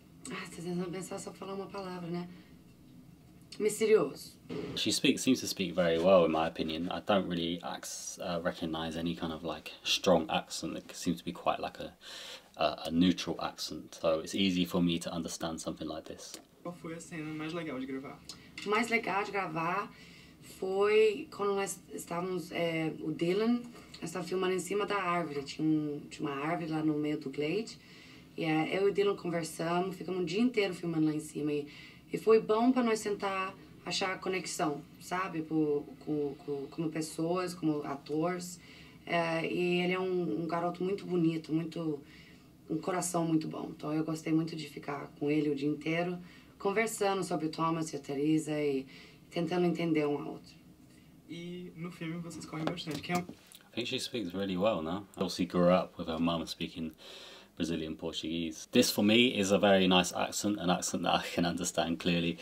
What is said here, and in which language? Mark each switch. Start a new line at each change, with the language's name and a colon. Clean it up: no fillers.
Portuguese: Ah, tô tentando pensar só falar uma palavra, né?
English: Mysterious. She seems to speak very well, in my opinion. I don't really recognize any kind of like strong accent. It seems to be quite like a neutral accent. So it's easy for me to understand something like this.
Portuguese: Qual foi a cena mais legal de gravar? Mais legal de gravar foi quando nós estávamos o Dylan estava filmando em cima da árvore. Tinha uma árvore lá no meio do glade. E eu e o Dylan conversamos, ficamos o dia inteiro filmando lá em cima. E foi bom para nós tentar achar a conexão, sabe, como pessoas, como atores. E ele é um garoto muito bonito, muito um coração muito bom. Então eu gostei muito de ficar com ele o dia inteiro, conversando sobre o Thomas e a Teresa e tentando entender um ao outro. E no filme vocês correm bastante. Quem é?
English: I think she speaks really well, no? Obviously grew up with her mom speaking Brazilian Portuguese. This for me is a very nice accent, an accent that I can understand clearly.